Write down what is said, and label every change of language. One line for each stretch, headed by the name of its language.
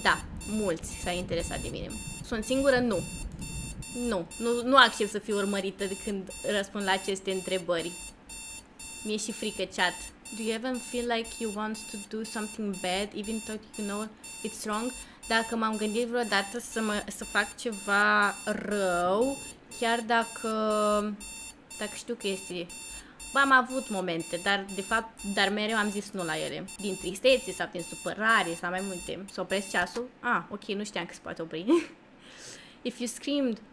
Romanian: Da, mulți s-ar interesa de mine. Sunt singură? Nu. Nu accept să fiu urmărită de când răspund la aceste întrebări. Mi-e și frică, chat.
English: Do you even feel like you want to do something bad, even though you know it's wrong?
Romanian: Dacă m-am gândit vreodată să fac ceva rău, chiar dacă știu că este... Bă, am avut momente, dar mereu am zis nu la ele. Din tristețe sau din supărare sau mai multe. Să opresc ceasul? Ah, ok, nu știam că se poate opri.
English: If you screamed